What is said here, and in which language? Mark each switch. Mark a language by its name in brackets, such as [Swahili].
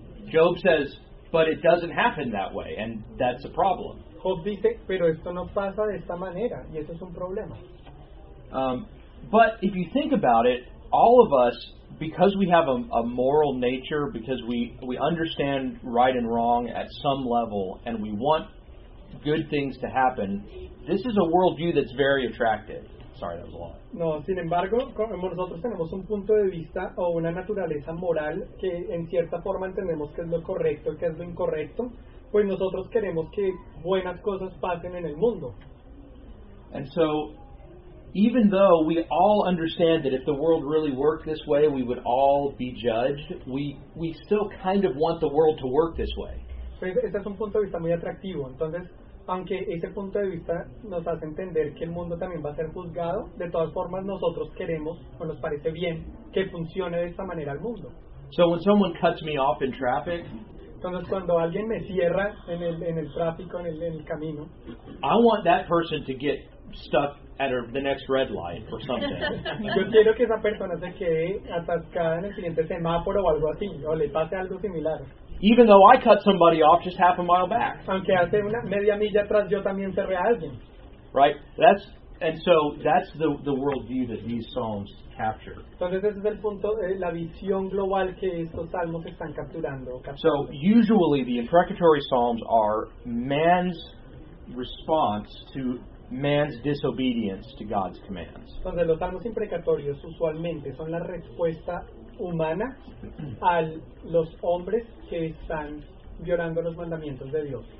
[English] Job says, but it doesn't happen that way, and that's a problem. [Spanish] Job dice, pero esto no pasa de esta manera, y eso es un problema. [English] But if you think about it, all of us, because we have a moral nature, because we understand right and wrong at some level, and we want good things to happen, this is a worldview that's very attractive. Sorry, that was a lot. [Spanish] No, sin embargo, como nosotros tenemos un punto de vista o una naturaleza moral que en cierta forma entendemos que es lo correcto, que es lo incorrecto, pues nosotros queremos que buenas cosas pasen en el mundo. [English] And so, even though we all understand that if the world really worked this way, we would all be judged, we still kind of want the world to work this way. [Spanish] Pues ese es un punto de vista muy atractivo. Entonces, aunque ese punto de vista nos hace entender que el mundo también va a ser juzgado, de todas formas nosotros queremos, o nos parece bien, que funcione de esta manera el mundo. [English] So when someone cuts me off in traffic, [Spanish] entonces cuando alguien me cierra en el tráfico, en el camino, [English] I want that person to get stuck at the next red light or something. [Spanish] Yo quiero que esa persona se quede atascada en el siguiente semáforo o algo así, o le pase algo similar. [English] Even though I cut somebody off just half a mile back. [Spanish] Aunque hace una media milla atrás, yo también cerré a alguien. [English] Right? That's the world view that these psalms capture. [Spanish] Entonces ese es el punto, la visión global que estos salmos están capturando. [English] So usually the imprecatory psalms are man's response to man's disobedience to God's commands. [Spanish] Entonces los salmos imprecatorios usualmente son la respuesta humana a los hombres que están violando los mandamientos de Dios.